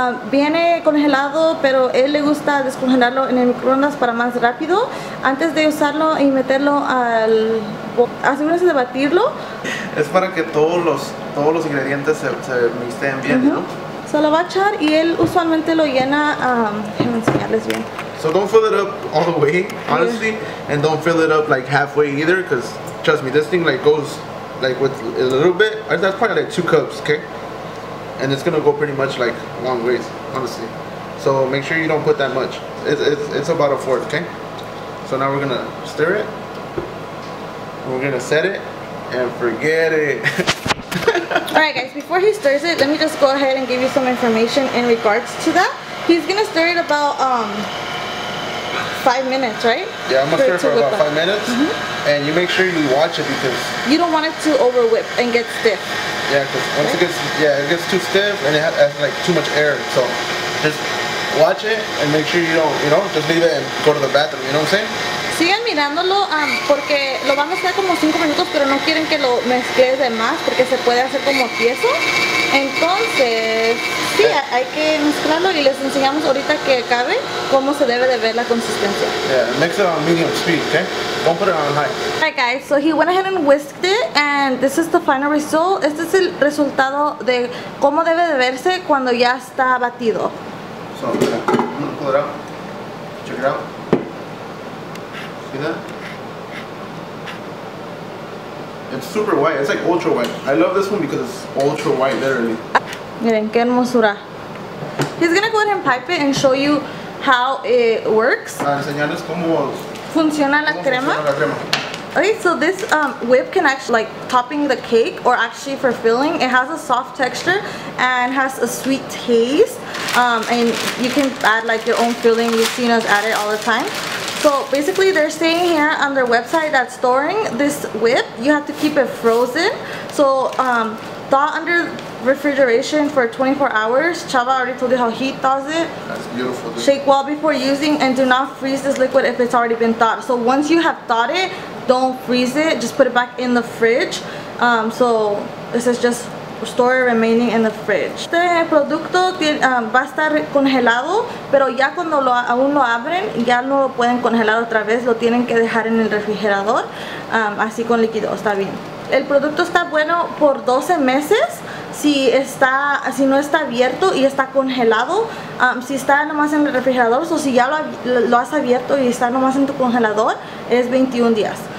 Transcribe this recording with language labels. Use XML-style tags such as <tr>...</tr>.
<es>Viene congelado, pero él le gusta descongelarlo en el microondas para más rápido. Antes de usarlo y meterlo al... asegúrese de batirlo. Es para que todos los ingredientes se mixten bien, ¿no? So, lo va a echar y él usualmente lo llena... déjame enseñarles bien.</es> <en>So, don't fill it up all the way, honestly. Yeah. And don't fill it up like halfway either, because trust me, this thing like goes... like with a little bit, that's probably like 2 cups, okay? And it's gonna go pretty much like long ways, honestly. So make sure you don't put that much. It's about a fourth, okay? So now we're gonna stir it. We're gonna set it and forget it. All right, guys, before he stirs it, let me just go ahead and give you some information in regards to that. He's gonna stir it about 5 minutes, right? Yeah, I'm gonna stir it for about 5 minutes. Mm-hmm. And you make sure you watch it because... you don't want it to over whip and get stiff. Yeah, because once it gets too stiff and it has like too much air. So just watch it and make sure you don't, you know, just leave it and go to the bathroom, you know what I'm saying?</en> <es>Sigan mirándolo porque lo van a hacer como 5 minutos, pero no quieren que lo mezcles de más porque se puede hacer como tieso. Entonces... sí, hay que mezclarlo y les enseñamos ahorita que acabe cómo se debe de ver la consistencia.</es> <en>Yeah, mix it on medium speed, okay? Don't put it on high. Alright, guys, so he went ahead and whisked it and this is the final result.</en> <es>Este es el resultado de cómo debe de verse cuando ya está batido.</es> <en>So, I'm gonna pull it out. Check it out. See that? It's super white. It's like ultra white. I love this one because it's ultra white, literally.</en> <es>Miren, qué hermosura.</es> <en>He's gonna go ahead and pipe it and show you how it works.</en> <es>A enseñarles cómo funciona la crema.</es> <en>Okay, so this whip can actually, like, topping the cake or actually for filling. It has a soft texture and has a sweet taste. And you can add, like, your own filling. You've seen us add it all the time. So basically, they're saying here on their website that storing this whip, you have to keep it frozen. So thaw under refrigeration for 24 hours. Chava already told you how he thaws it. That's beautiful, dude. Shake well before using and do not freeze this liquid if it's already been thawed. So once you have thawed it, don't freeze it. Just put it back in the fridge. So this is just store remaining in the fridge.</en> <es>Este producto va a estar congelado, pero ya cuando lo aún lo abren, ya no lo pueden congelar otra vez. Lo tienen que dejar en el refrigerador, así con líquido. Está bien. El producto está bueno por 12 meses. Si no está abierto y está congelado, si está nomás en el refrigerador, o so si ya lo has abierto y está nomás en tu congelador, es 21 días.</es>